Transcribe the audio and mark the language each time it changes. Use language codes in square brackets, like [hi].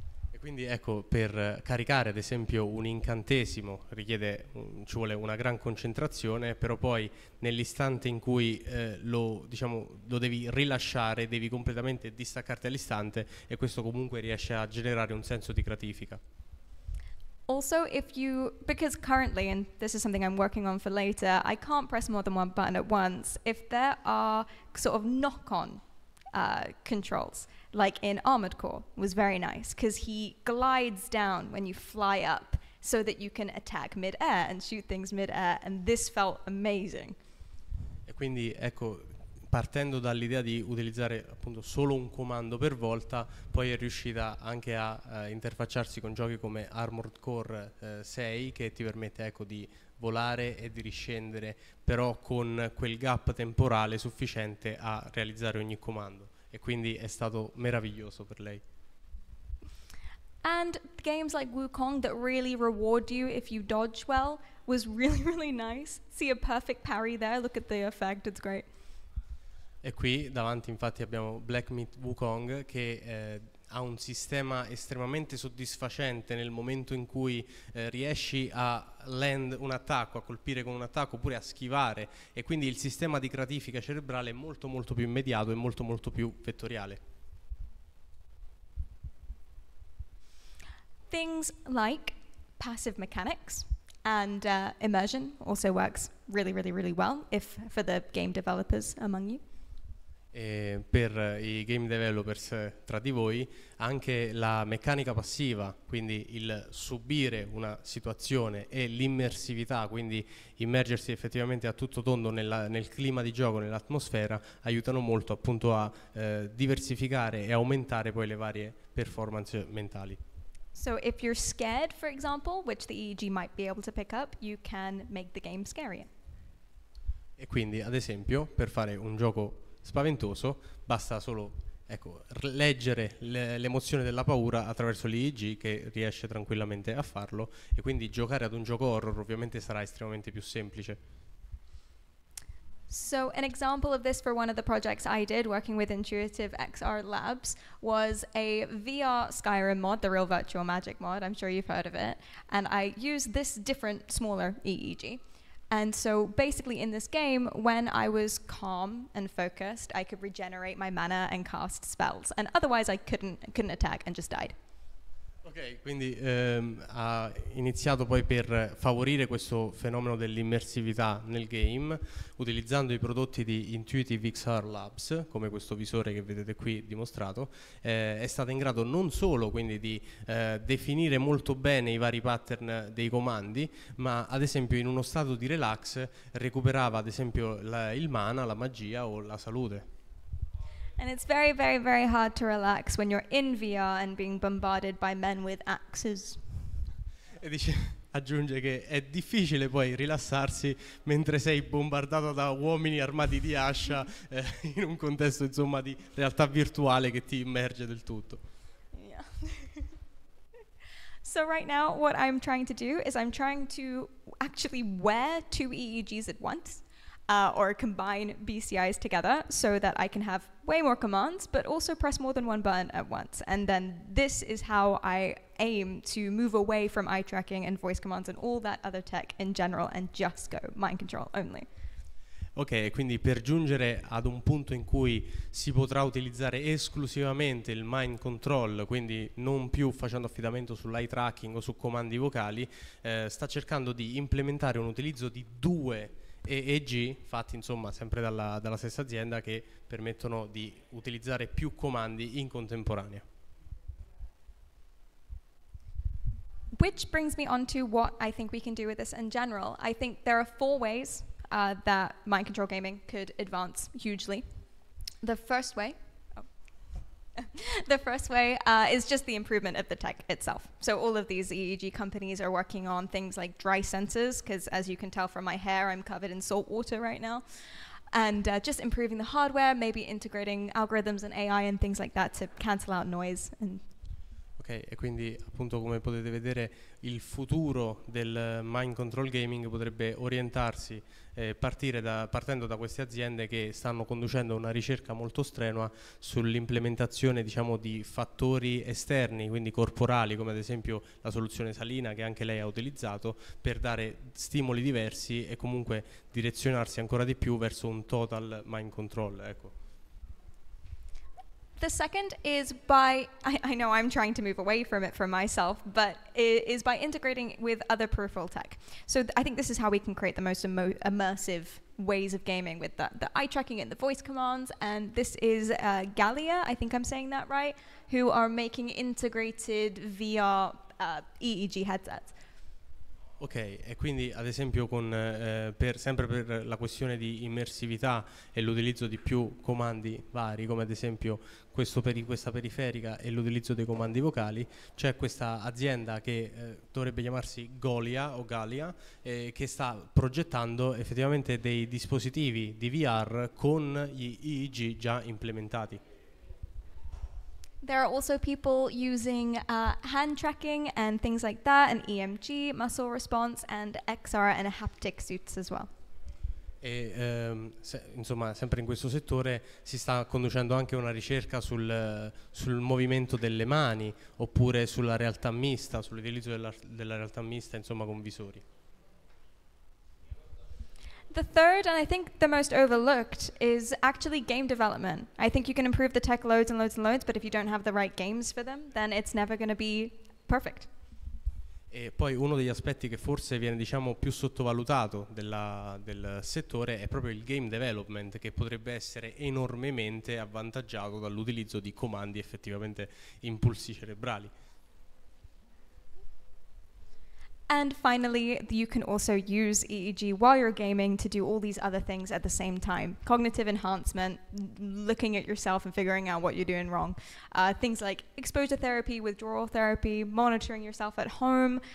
[it] E quindi ecco, per caricare ad esempio un incantesimo richiede, ci vuole una gran concentrazione, però poi nell'istante in cui lo, diciamo, lo devi rilasciare, devi completamente distaccarti all'istante, e questo comunque riesce a generare un senso di gratifica. [en] Also, if you, because currently, and this is something I'm working on for later, I can't press more than one button at once. If there are sort of knock-on controls, like in Armored Core, was very nice, because he glides down when you fly up so that you can attack mid-air and shoot things mid-air, and this felt amazing. [it] E quindi, ecco, partendo dall'idea di utilizzare appunto solo un comando per volta, poi è riuscita anche a interfacciarsi con giochi come Armored Core 6, che ti permette, ecco, di volare e di riscendere, però con quel gap temporale sufficiente a realizzare ogni comando, e quindi è stato meraviglioso per lei. [en] And games like Wukong that really reward you if you dodge well was really really nice. See a perfect parry there, look at the effect, it's great. [it] E qui davanti infatti abbiamo Black Myth Wukong, che ha un sistema estremamente soddisfacente nel momento in cui riesci a [en] land [it] un attacco, a colpire con un attacco oppure a schivare, e quindi il sistema di gratifica cerebrale è molto molto più immediato e molto molto più vettoriale. [en] Things like passive mechanics and immersion also works really really really well if for the game developers among you. [it] E per i game developers tra di voi, anche la meccanica passiva, quindi il subire una situazione, e l'immersività, quindi immergersi effettivamente a tutto tondo nel clima di gioco, nell'atmosfera, aiutano molto appunto a diversificare e aumentare poi le varie performance mentali. [en] So if you're scared, for example, which the EEG might be able to pick up, you can make the game scarier. [it] E quindi, ad esempio, per fare un gioco spaventoso basta solo, ecco, leggere l'emozione della paura attraverso l'EEG, che riesce tranquillamente a farlo, e quindi giocare ad un gioco horror ovviamente sarà estremamente più semplice. [en] So an example of this for one of the projects I did working with Intuitive XR Labs was a VR Skyrim mod, the Real Virtual Magic mod, I'm sure you've heard of it, and I used this different smaller EEG. And so basically in this game, when I was calm and focused, I could regenerate my mana and cast spells. And otherwise I couldn't attack and just died. [it] Ok, quindi ha iniziato poi per favorire questo fenomeno dell'immersività nel game, utilizzando i prodotti di Intuitive XR Labs, come questo visore che vedete qui dimostrato. È stata in grado non solo quindi di definire molto bene i vari pattern dei comandi, ma ad esempio in uno stato di relax recuperava ad esempio il mana, la magia o la salute. [en] And it's very, very, very hard to relax when you're in VR and being bombarded by men with axes. [it] E dice, aggiunge che è difficile poi rilassarsi mentre sei bombardato da uomini armati di ascia in un contesto, insomma, di realtà virtuale che ti immerge del tutto. [en] Yeah. So right now what I'm trying to do is I'm trying to actually wear two EEGs at once or combine BCIs together so that I can have way more commands but also press more than one button at once. And then this is how I aim to move away from eye tracking and voice commands and all that other tech in general and just go mind control only. [it] Ok, quindi per giungere ad un punto in cui si potrà utilizzare esclusivamente il mind control, quindi non più facendo affidamento sull'eye tracking o su comandi vocali, sta cercando di implementare un utilizzo di due EEG, fatti insomma sempre dalla stessa azienda, che permettono di utilizzare più comandi in contemporanea. [en] Which brings me on to what I think we can do with this in general. I think there are four ways that mind control gaming could advance hugely. The first way is just the improvement of the tech itself. So all of these EEG companies are working on things like dry sensors, because as you can tell from my hair, I'm covered in salt water right now. And just improving the hardware, maybe integrating algorithms and AI and things like that to cancel out noise. And [it] e quindi appunto, come potete vedere, il futuro del mind control gaming potrebbe orientarsi partendo da queste aziende che stanno conducendo una ricerca molto strenua sull'implementazione, diciamo, di fattori esterni, quindi corporali, come ad esempio la soluzione salina che anche lei ha utilizzato, per dare stimoli diversi e comunque direzionarsi ancora di più verso un total mind control, ecco. [en] The second is by, I know I'm trying to move away from it for myself, but it is by integrating with other peripheral tech. So I think this is how we can create the most immersive ways of gaming with the eye tracking and the voice commands. And this is Gallia, I think I'm saying that right, who are making integrated VR EEG headsets. [it] Ok, e quindi ad esempio sempre per la questione di immersività e l'utilizzo di più comandi vari, come ad esempio questa periferica e l'utilizzo dei comandi vocali, c'è questa azienda che dovrebbe chiamarsi Gallia, che sta progettando effettivamente dei dispositivi di VR con gli EEG già implementati. [en] There are also people using hand tracking and things like that, and EMG, muscle response, and XR and haptic suits as well. [it] E insomma, sempre in questo settore si sta conducendo anche una ricerca sul movimento delle mani, oppure sulla realtà mista, sull'utilizzo della realtà mista, insomma, con visori. [en] The third, and I think the most overlooked, is actually game development. I think you can improve the tech loads and loads and loads, but if you don't have the right games for them, then it's never going to be perfect. [it] E poi uno degli aspetti che forse viene, diciamo, più sottovalutato del settore è proprio il game development, che potrebbe essere enormemente avvantaggiato dall'utilizzo di comandi, effettivamente impulsi cerebrali. [en] And finally, you can also use EEG while you're gaming to do all these other things at the same time. Cognitive enhancement, looking at yourself and figuring out what you're doing wrong. Things like exposure therapy, withdrawal therapy, monitoring yourself at home.